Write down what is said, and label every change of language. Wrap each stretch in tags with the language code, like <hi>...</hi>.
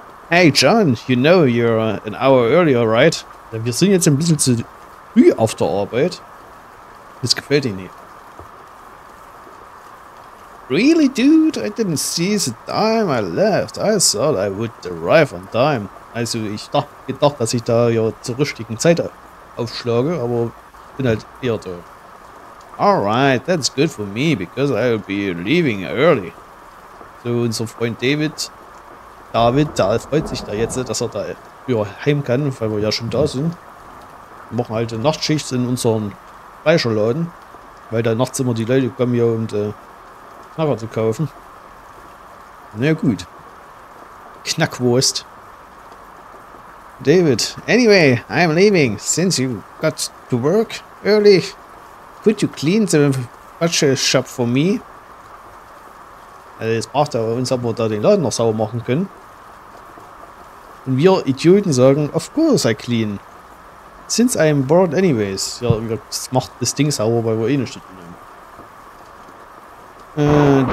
<en>Hey John, you know you're an hour earlier, right?</en> <de>Wir sind jetzt ein bisschen zu früh auf der Arbeit. Das gefällt dir nicht.</de> <en>Really, dude? I didn't see the time I left. I thought I would arrive on time.</en> <de>Also, ich gedacht, dass ich da ja zur richtigen Zeit aufschlage, aber bin halt eher da.</de> <en>Alright, that's good for me, because I'll be leaving early.</en> <de>So, unser Freund David, da freut sich da jetzt, dass er da früher heim kann, weil wir ja schon da sind. Wir machen halt eine Nachtschicht in unseren Fleischerladen, weil da nachts immer die Leute kommen ja und Knacker zu kaufen. Na gut. Knackwurst.</de> <en>David, anyway, I'm leaving. Since you got to work early, could you clean the butcher shop for me?</en> <de>Also jetzt braucht er uns, ob wir da den Laden noch sauber machen können. Und wir Idioten sagen,</de> <en>of course I clean. Since I'm bored anyways.</en> <de>Ja, wir macht das Ding sauber, weil wir eh nicht stehen.</de>